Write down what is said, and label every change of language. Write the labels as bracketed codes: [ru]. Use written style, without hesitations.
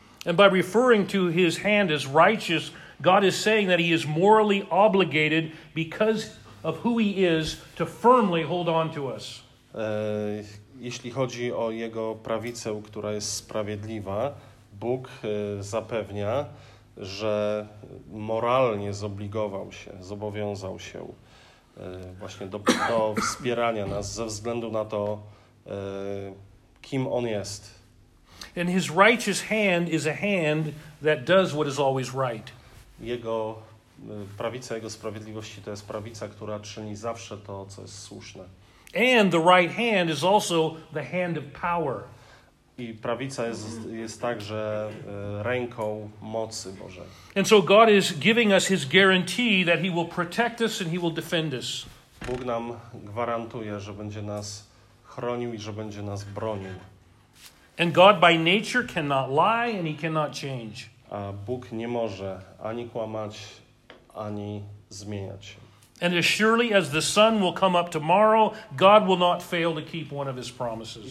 [en] And by referring to his hand as righteous, God is saying that he is morally obligated because of who he is to firmly hold on to us. [pl] Jeśli chodzi o jego prawicę, która jest sprawiedliwa, Bóg zapewnia, że moralnie zobowiązał się właśnie do wspierania nas ze względu na to, kim on jest. [en] And his righteous hand is a hand that does what is always right. [pl] Jego prawica, jego sprawiedliwości to jest prawica, która czyni zawsze to, co jest słuszne. [en] And the right hand is also the hand of power. [pl] I prawica jest także ręką mocy Bożej. [en] And so God is giving us his guarantee that he will protect us and he will defend us. [pl] Bóg nam gwarantuje, że będzie nas chronił i że będzie nas bronił. [en] And God by nature cannot lie and he cannot change. [pl] A Bóg nie może ani kłamać, ani zmieniać się. [en] And as surely as the sun will come up tomorrow, God will not fail to keep one of his promises.